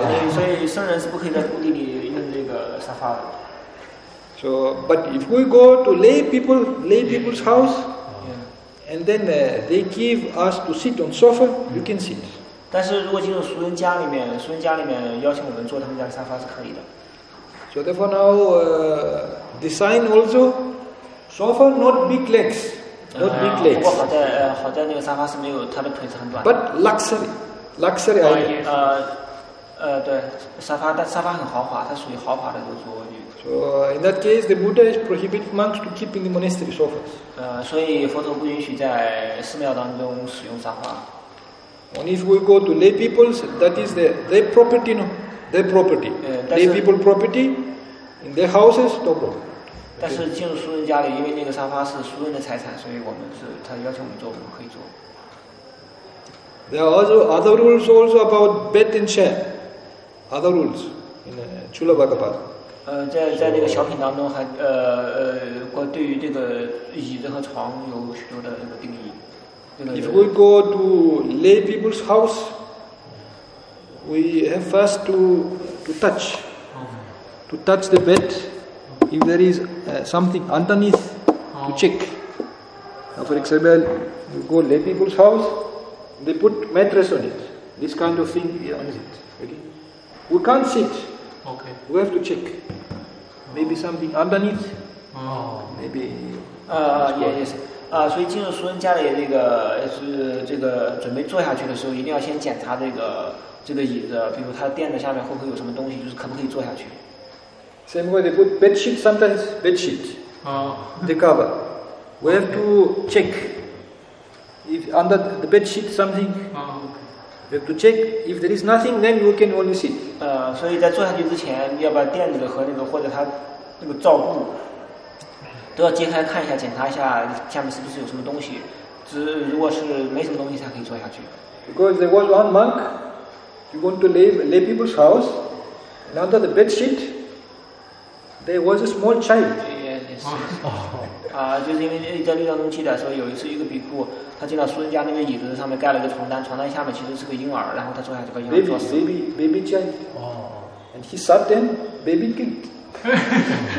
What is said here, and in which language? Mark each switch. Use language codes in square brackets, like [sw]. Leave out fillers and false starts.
[zh] 所以僧人是不可以在屋里用这个沙发的。 [en] So, but if we go to lay people's house, and then they give us to sit on sofa, you can sit. [zh] 但是如果进入俗人家里面，俗人家里面邀请我们坐他们家的沙发是可以的。 [en] So therefore now, design also, sofa not big legs. Not big legs. [zh] 不过好在那个沙发是没有，它的腿是很短的。 [en] But luxury idea. [zh] 对，沙发，但沙发很豪华，它属于豪华的这个坐卧具。 [en] So in that case, the Buddha is prohibited monks to keep in the monastery sofas. [zh] 所以佛陀不允许在寺庙当中使用沙发。 [en] Only if we go to lay people's, that is their property, no? Their property. Lay people property in their houses, no problem. [zh] 但是进入熟人家里，因为那个沙发是熟人的财产，所以我们是他要求我们坐，我们可以坐。 [en] There are other rules also about bed and chair. Other rules in Chulavaga Pali. [zh] 在那个小品当中还对于这个椅子和床有许多的这个定义。 [en] If we go to lay people's house, we have first to touch. To touch the bed. If there is something underneath, to check. Now, for example, you go lay people's house, they put mattress on it. This kind of thing is on it. Okay? We can't sit. Okay. We have to check. Maybe something underneath. Maybe. Yes. [zh] 所以进入熟人家里，这个是这个准备坐下去的时候，一定要先检查这个椅子，比如它垫子下面会不会有什么东西，就是可不可以坐下去。 [en] Same way they put bed sheet, sometimes bed sheet, the cover. We have to check if under the bed sheet something. We have to check if there is nothing, then we can only sit. [zh] 所以在坐下去之前，要把垫子和那个或者它那个罩布都要揭开看一下，检查一下下面是不是有什么东西。如果是没什么东西，才可以坐下去。 [en] Because there was one monk, you want to lay people's house, and under the bed sheet. There was a small child. Yes. [zh] 就是因为在绿道中记载说，有一次一个比库，他见到熟人家那个椅子上面盖了一个床单，床单下面其实是个婴儿，然后他坐下就把婴儿坐死了。 [en] Baby child. Oh. And he sat down, baby kid.